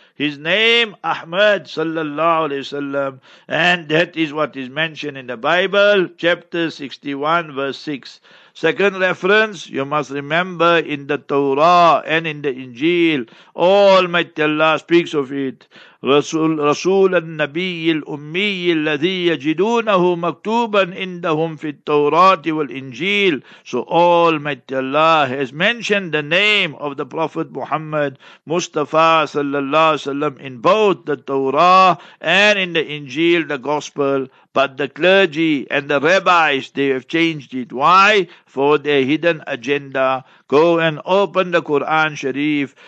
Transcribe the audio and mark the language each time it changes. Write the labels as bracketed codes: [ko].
[en] His name, Ahmad sallallahu alayhi wa sallam, and that is what is mentioned in the Bible, chapter 61, verse 6. Second reference, you must remember in the Torah and in the Injil, Almighty Allah speaks of it. [ar] رسول النبي الأمي الذي يجدونه مكتوبا عندهم في التوراة والإنجيل. [en] So Almighty Allah has mentioned the name of the Prophet Muhammad Mustafa sallallahu alaihi wasallam in both the Torah and in the Injil, the Gospel. But the clergy and the rabbis, they have changed it. Why? For their hidden agenda. Go and open the Quran Sharif.